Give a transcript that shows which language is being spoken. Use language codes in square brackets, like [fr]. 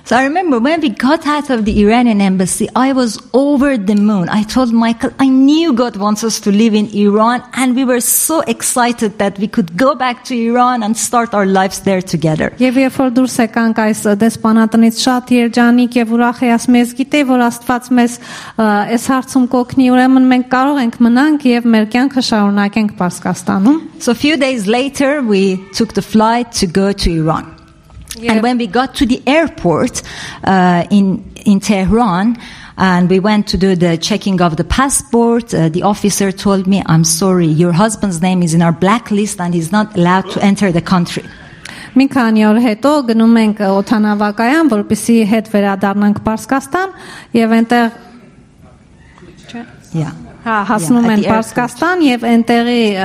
[en] So I remember when we got out of the Iranian embassy I was over the moon. I told Michael I knew God wants us to live in Iran and we were so excited that we could go back to Iran and start our lives there together. [hy] Եվ երբ որ դուրս եկանք այս դեսպանատնից շատ երջանիկ եւ ուրախ էի ասմես գիտե որ Աստված մեզ այս հարցում կօգնի ուրեմն մենք կարող ենք մնանք եւ մեր կյանքը շարունակենք Պարսկաստանում. [en] So a few days later we took the flight to go to Iran. Yeah. And when we got to the airport in Tehran and we went to do the checking of the passport, the officer told me, I'm sorry, your husband's name is in our blacklist and he's not allowed to enter the country. [hy] Մի քանի օր հետո գնում ենք օթանավակայան, որպեսզի հետ վերադառնանք Պարսկաստան եւ այնտեղ Yeah. Հա, հասնում են Պարսկաստան եւ այնտեղի